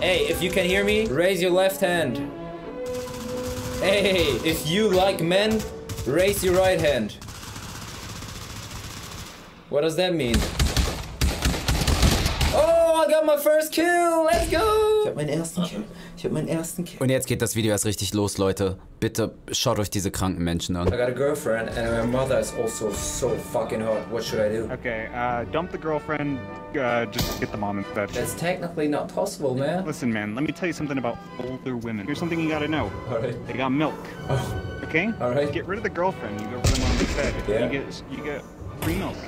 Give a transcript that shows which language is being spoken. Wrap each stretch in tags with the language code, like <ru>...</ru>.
<en>Hey, if you can hear me, raise your left hand. Hey, if you like men, raise your right hand. What does that mean? Oh, I got my first kill! Let's go!</en> <de>Ich hab meine Ich hab meinen ersten Kill. Und jetzt geht das Video erst richtig los, Leute. Bitte schaut euch diese kranken Menschen an.</de> <en>I got a girlfriend and my mother is also so fucking hot. What should I do? Okay, dump the girlfriend, just get the mom instead. That's technically not possible, man. Listen, man, let me tell you something about older women. Here's something you gotta know. Alright. They got milk. Oh. Okay? Alright. Get rid of the girlfriend, you go for the mom instead. Yeah. You get free milk.</en>